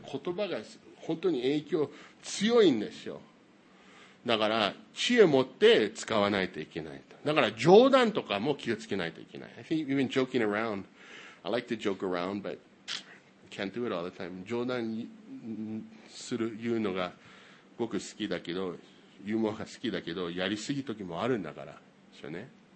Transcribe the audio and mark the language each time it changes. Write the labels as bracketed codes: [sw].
[ja] 言葉が本当に影響強いんですよ。だから知恵持って使わないといけないと。だから冗談とかも気をつけないといけない。 [en] I think even joking around, I like to joke around, butcan't do it all the time. [ja] 冗談する言うのが僕好きだけど、ユーモアが好きだけど、やりすぎ時もあるんだから、そうね。